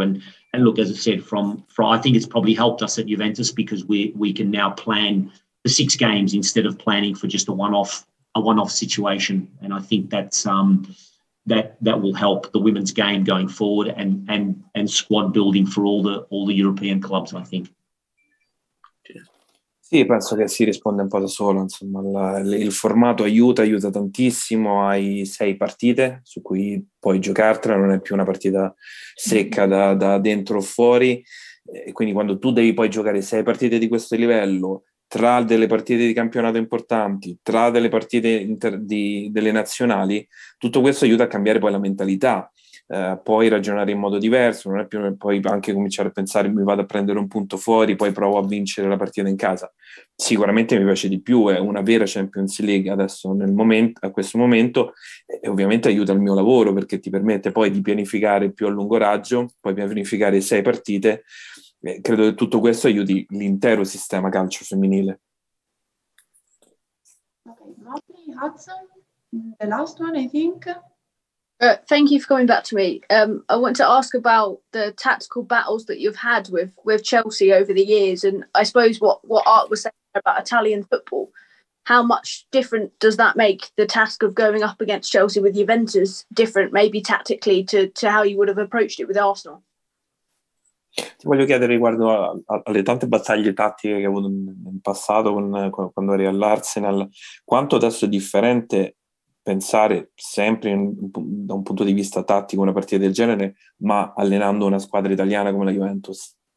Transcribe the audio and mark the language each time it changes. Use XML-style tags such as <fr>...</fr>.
<en>And look, as I said, from I think it's probably helped us at Juventus because we can now plan for six games instead of planning for just a one-off situation, and I think that will help the women's game going forward and squad building for all the European clubs, I think.</en> <it>Sì, penso che si risponde un po' da solo, insomma, il formato aiuta tantissimo, hai sei partite su cui puoi giocartela, non è più una partita secca da dentro o fuori, e quindi quando tu devi poi giocare sei partite di questo livello, tra delle partite di campionato importanti, tra delle partite delle nazionali, tutto questo aiuta a cambiare poi la mentalità, puoi ragionare in modo diverso, non è più poi anche cominciare a pensare mi vado a prendere un punto fuori, poi provo a vincere la partita in casa. Sicuramente mi piace di più, è una vera Champions League adesso a questo momento, e ovviamente aiuta il mio lavoro perché ti permette poi di pianificare più a lungo raggio, poi pianificare sei partite. Credo che tutto questo aiuti l'intero sistema calcio femminile.</it> <en>Okay, Martin Hudson, the last one, I think. Thank you for coming back to me. I want to ask about the tactical battles that you've had with Chelsea over the years, and I suppose what Art was saying about Italian football, how much different does that make the task of going up against Chelsea with Juventus different, maybe tactically, to how you would have approached it with Arsenal?</en> <it>Ti voglio chiedere riguardo alle tante battaglie tattiche che ho avuto in passato quando eri all'Arsenal, quanto adesso è differente pensare sempre da un punto di vista tattico una partita del genere, ma allenando una squadra italiana come la Juventus?</it>